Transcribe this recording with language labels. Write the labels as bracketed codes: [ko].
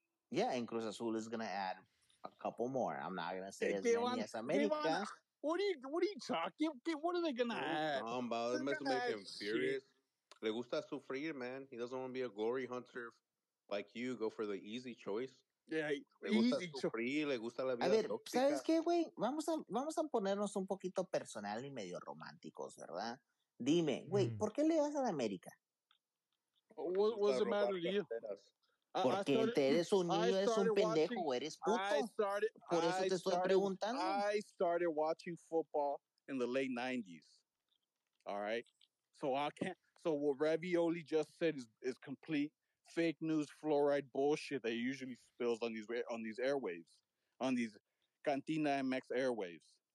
[en] Yeah, and Cruz Azul is going to add a couple more. I'm not going to say as many as America. What are you talking? What are they going to add? I'm about to make him furious. Le gusta sufrir, man. He doesn't want to be a glory hunter like you. Go for the easy choice. Yeah, [es] le gusta sufrir, le gusta la vida. A ver, tóxica. ¿Sabes qué, güey? Vamos a ponernos un poquito personal y medio románticos, ¿verdad? Dime, güey, ¿por qué le vas a la América? [en] What's the matter to you? [es] Porque eres un niño, eres un pendejo, eres puto. Por eso te estoy preguntando. [en] I started watching football in the late 90s. All right? So what Ravioli just said is complete fake news, fluoride bullshit that usually spills on these airwaves, on these Cantina MX airwaves.